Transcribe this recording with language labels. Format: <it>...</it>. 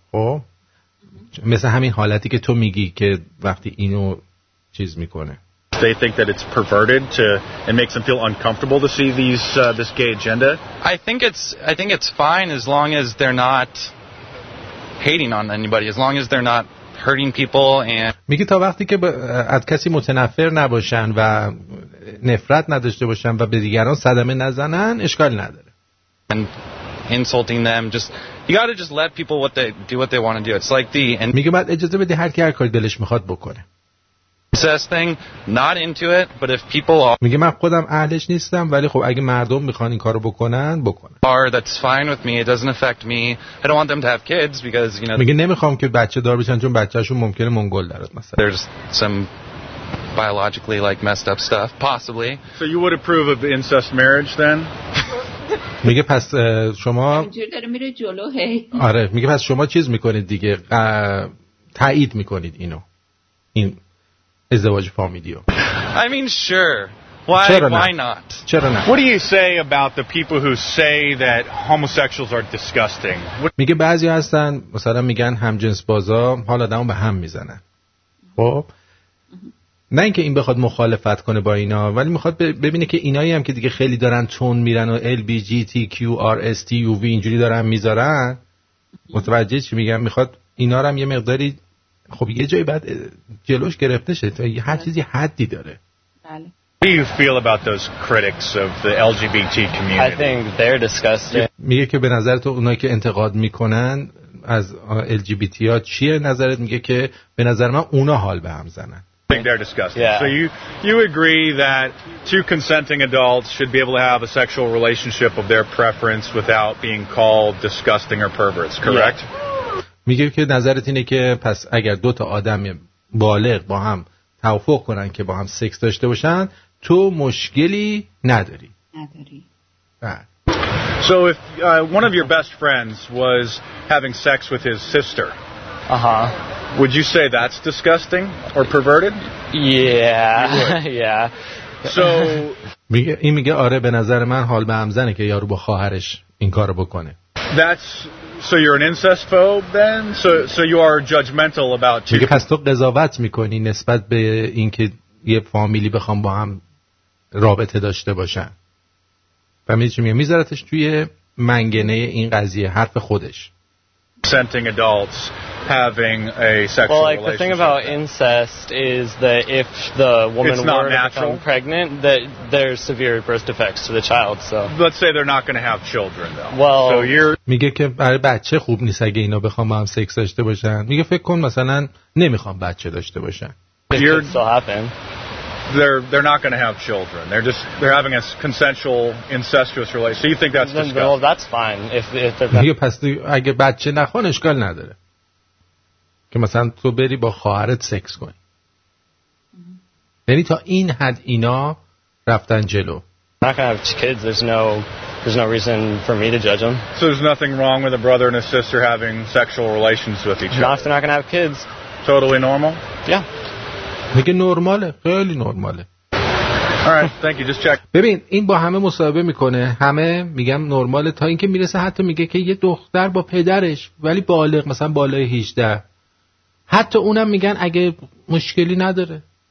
<fa>خب مثل همین حالتی که تو میگی که وقتی اینو چیز میکنه.</fa> <en>They think that it's perverted to it makes them feel uncomfortable to see these this gay agenda. I think it's fine as long as they're not hating on anybody, as long as they're not hurting people and</en> <fa>میگه تا وقتی که از کسی متنفر نباشن و نفرت نداشته باشن و به دیگران صدمه نزنن اشکال نداره.</fa> <en>And insulting them just you got to just let people do what they want to do. It's like the and</en> <fa>میگه بعد اجازه بده هر کی هر کاری دلش میخواد بکنه.</fa> <en>Incest thing, not into it, but if people are.</en> <fa>میگه من خودم اهلش نیستم، ولی خب اگه مردم میخوان این کارو بکنن، بکنن.</fa> <en>Are that's fine with me. It doesn't affect me. I don't want them to have kids because you know.</en> <fa>میگه نمیخوام که بچه دار بشن چون بچه‌شون ممکنه منگول دارد مثلا.</fa> <en>There's some biologically like messed up stuff, possibly. So you would approve of incest marriage then?</en> <fa>میگه پس شما. اینجور داره میره جلو هی. آره میگه پس شما چیز میکنید دیگه تایید میکنید اینو این. ازدواج فامیلیو.</fa> <en>I mean sure. Why not?</en> <fa>چرا نه؟</fa> <en>What do you say about the people who say that homosexuals are disgusting?</en> <fa>میگه بعضی هستن مثلا میگن همجنس بازا حال آدمو به هم میزنن. خب نه اینکه این بخواد مخالفت کنه با اینا، ولی میخواد ببینه که اینایی هم که دیگه خیلی دارن تون میرن و LGBTQRSTUV اینجوری دارن میذارن، متوجه چی میگم؟ میخواد اینا رو هم یه مقداری خب یه جایی بعد جلوش گرفته شد، یه هر چیزی حدی داره.</fa> <en>How do you feel about those critics of the LGBT community? I think they're disgusting.</en> <fa>میگه که به نظر تو اونایی که انتقاد میکنن از LGBT ها چیه نظرت؟ میگه که به نظر من اونا حال به هم زنن.</fa> <en>I think they're disgusting. Yeah. So you agree that two consenting adults should be able to have a sexual relationship of their preference without being called disgusting or perverts, correct? Yeah.</en> <fa>میگه که نظرت اینه که پس اگر دو تا آدم بالغ با هم توافق کنن که با هم سکس داشته باشن تو مشکلی نداری. نداری.</fa> <en>So if one of your best friends was having sex with his sister. Uh-huh. Would you say that's disgusting or perverted? Yeah. So</en> <fa>میگه این میگه آره به نظر من حال به هم زنه که یارو با خواهرش این کارو بکنه.</fa> <en>That's so you're an incest phobe then? So you are judgmental about</en> <fa>چیکار؟ پس تو قضاوت میکنی نسبت به اینکه یه فامیلی بخوام با هم رابطه داشته باشن. فهمیدی چی میگم؟ میذارتش توی منگنه این قضیه حرف خودش.</fa> <en>Consenting adults having a sexual relationship. Well, like the thing about incest is that if the woman were to become pregnant, that there's severe birth defects to the child. So let's say they're not going to have children, though. Well, so you're.</en> <fa>میگه که برای بچه خوب نیست اگه اینا بخوام با هم سکس داشته باشن. میگه فکر کن مثلا نمیخوام بچه داشته باشن.</fa> <en>It could still happen. They're not going to have children. They're having a consensual incestuous relationship. So you think that's disgusting? Well, that's fine.</en> <fa>میگه پس اگه بچه نخوان اشکال نداره که مثلا تو بری با خواهرت سکس کنی. یعنی تا این حد اینا رفتن جلو.</fa> <en>I'm not going to have kids. There's no reason for me to judge them. So there's nothing wrong with a brother and a sister having sexual relations with each other? Not if they're not going to have kids. Totally normal? Yeah.</en> <fa>میگه نرماله، خیلی نرماله. ببین این با همه مصاحبه میکنه، همه میگم نرماله، تا اینکه میرسه حتی میگه که یه دختر با پدرش ولی بالغ، مثلا بالای 18، حتی اونم میگن اگه مشکلی نداره.</fa>